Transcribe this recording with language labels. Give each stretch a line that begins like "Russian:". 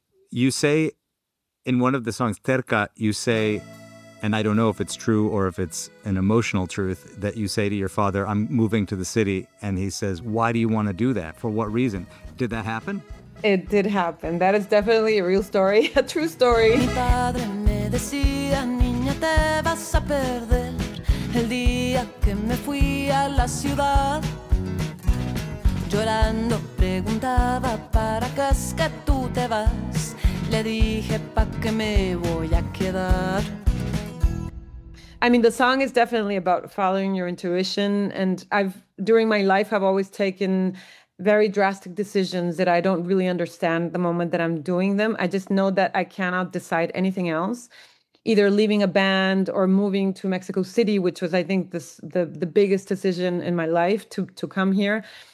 English: You say in one of the songs, Terca, you say, and I don't know if it's true or if it's an emotional truth, that you say to your father, I'm moving to the city. And he says, why do you want to do that? For what reason? Did that happen? It did happen. That is definitely a real story, a true story.
Spanish: Mi padre me decía, niña, te vas a perder. El día que me fui a la ciudad, llorando, preguntaba, ¿para qué es que tú te vas? Le dije, ¿pa' qué me voy a quedar?
English: I mean, the song is definitely about following your intuition. And during my life, I've always taken very drastic decisions that I don't really understand the moment that I'm doing them. I just know that I cannot decide anything else, either leaving a band or moving to Mexico City, which was, I think, the biggest decision in my life to come here.